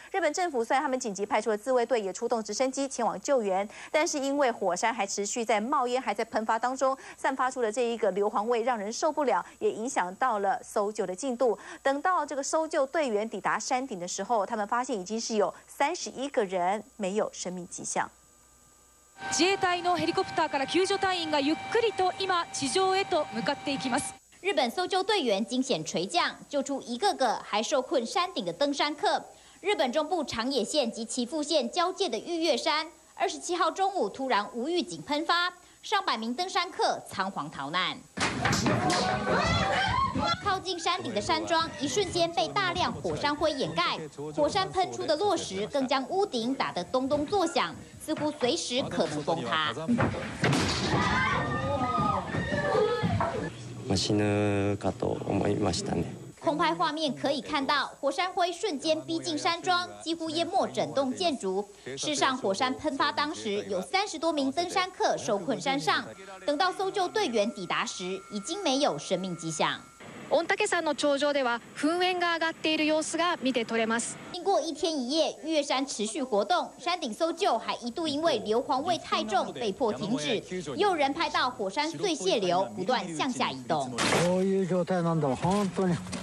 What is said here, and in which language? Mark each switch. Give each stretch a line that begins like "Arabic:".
Chinese: 日本政府虽然他们紧急派出了自卫队，也出动直升机前往救援，但是因为火山还持续在冒烟，还在喷发当中，散发出了这一个硫磺味，让人受不了，也影响到了搜救的进度。等到这个搜救队员抵达山顶的时候，他们发现已经是有31个人没有生命迹象。
Japanese: 自衛隊のヘリコプターから救助隊員がゆっくりと今地上へと向かっていきます。
Chinese: 日本搜救队员惊险垂降，救出一个个还受困山顶的登山客。日本中部长野县及岐阜县交界的玉月山，27号中午突然无预警喷发，上百名登山客仓皇逃难。靠近山顶的山庄一瞬间被大量火山灰掩盖，火山喷出的落石更将屋顶打得咚咚作响，似乎随时可能崩塌。
Japanese: 死ぬかと思いましたね。
Chinese: 空拍画面可以看到，火山灰瞬间逼近山庄，几乎淹没整栋建筑。事实上，火山喷发当时有30多名登山客受困山上，等到搜救队员抵达时，已经没有生命迹象。
Japanese: 御嶽山の頂上では噴煙が上がっている様子が見て取れます。
Chinese: 经过一天一夜，玉月山持续活动，山顶搜救还一度因为硫磺味太重被迫停止。有人拍到火山碎屑流不断向下移动。
Japanese: こういう状態なんだ、本当に。